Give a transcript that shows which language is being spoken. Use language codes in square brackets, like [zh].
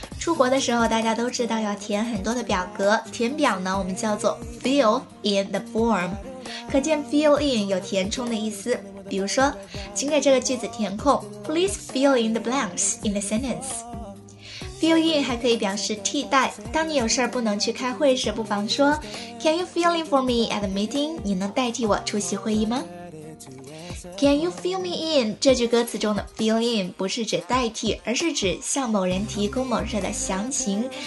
[zh] 出国的时候大家都知道要填很多的表格，填表呢我们叫做 fill in the form， 可见 fill in 有填充的意思。比如说请给这个句子填空， [en] Please fill in the blanks in the sentence。 [zh] Fill in 还可以表示替代，当你有事不能去开会时，不妨说 [en] Can you fill in for me at the meeting， [zh] 你能代替我出席会议吗？ [en] Can you fill me in？ [zh] 这句歌词中的 fill in 不是指代替，而是指向某人提供某事的详情。